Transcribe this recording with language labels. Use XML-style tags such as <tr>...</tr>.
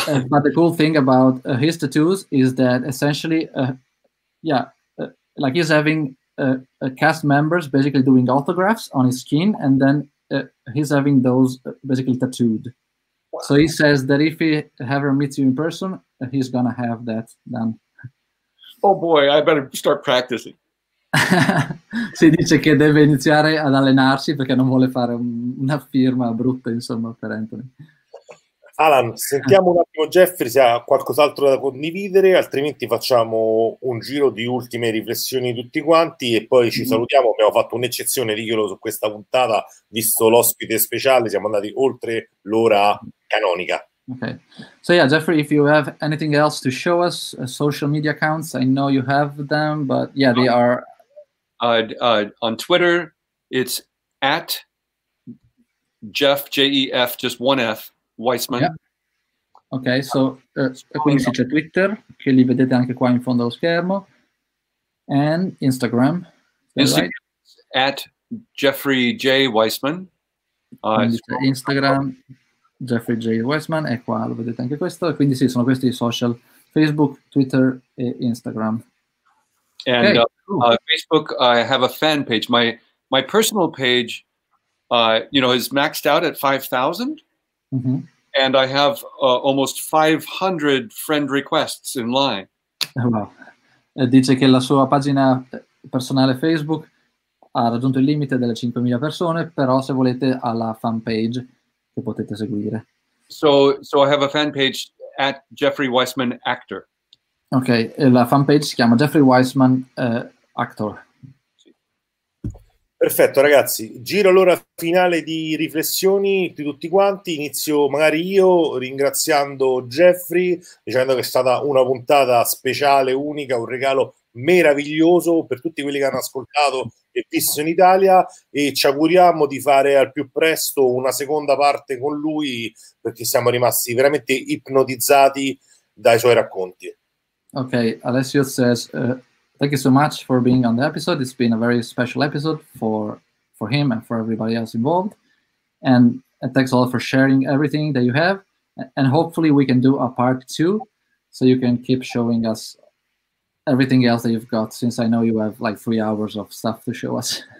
<en>But the cool thing about his tattoos is that essentially, like he's having cast members basically doing autographs on his skin, and then he's having those basically tattooed. Wow. So he says that if he ever meets you in person, he's gonna have that done. Oh boy, I better start practicing.</en> <it>Si dice che deve iniziare ad allenarsi perché non vuole fare una firma brutta, insomma, per Anthony. Alan, sentiamo un attimo Jeffrey se ha qualcos'altro da condividere, altrimenti facciamo un giro di ultime riflessioni tutti quanti e poi ci salutiamo. Abbiamo fatto un'eccezione, dicelo, su questa puntata, visto l'ospite speciale, siamo andati oltre l'ora canonica.</it> <en>Okay. So yeah, Jeffrey, if you have anything else to show us, social media accounts, I know you have them, but yeah, they are. On Twitter, it's at Jeff, J-E-F, just one F, Weissman. Yeah. Okay, so</en> <it>quindi c'è Twitter, che li vedete anche qua in fondo allo schermo,</it> <en>and Instagram. Instagram, right? At Jeffrey J. Weissman.</en> <it>Instagram, Jeffrey J. Weissman, è qua, lo vedete anche questo. Quindi sì, sono questi i social, Facebook, Twitter e Instagram.</it> <en>And okay. Facebook, I have a fan page. My personal page, you know, is maxed out at 5,000. Mm-hmm. And I have almost 500 friend requests in line. Wow.</en> <it>Dice che la sua pagina personale Facebook ha raggiunto il limite delle 5,000 persone, però se volete ha la fan page che potete seguire.</it> <en>So I have a fan page at Jeffrey Weissman Actor.</en> <it>Ok, e la fan page si chiama Jeffrey Weissman Actor. Perfetto, ragazzi. Giro allora finale di riflessioni di tutti quanti. Inizio magari io ringraziando Jeffrey, dicendo che è stata una puntata speciale, unica, un regalo meraviglioso per tutti quelli che hanno ascoltato e visto in Italia, e ci auguriamo di fare al più presto una seconda parte con lui, perché siamo rimasti veramente ipnotizzati dai suoi racconti.</it> <en>Ok, Alessio says... Thank you so much for being on the episode. It's been a very special episode for him and for everybody else involved. And thanks all for sharing everything that you have. And hopefully we can do a part two, so you can keep showing us everything else that you've got, since I know you have like 3 hours of stuff to show us.</en>